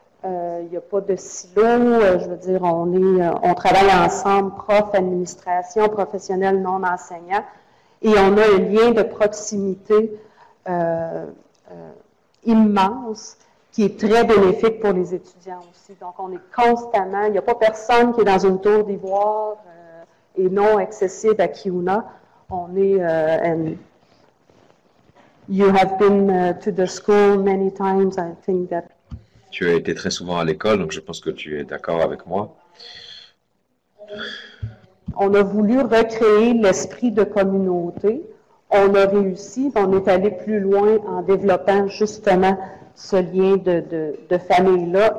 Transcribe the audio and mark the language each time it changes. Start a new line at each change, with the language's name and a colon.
French: Il n'y a pas de silo. Je veux dire, on travaille ensemble, prof, administration, professionnel, non enseignant. Et on a un lien de proximité immense qui est très bénéfique pour les étudiants aussi. Donc, on est constamment, il n'y a pas personne qui est dans une tour d'ivoire et non accessible à Kiuna. On est,
English: you have been to the school many times, I think that.
French: Tu as été très souvent à l'école, donc je pense que tu es d'accord avec moi. On a voulu recréer l'esprit de communauté. On a réussi, on est allé plus loin en développant justement ce lien de famille-là.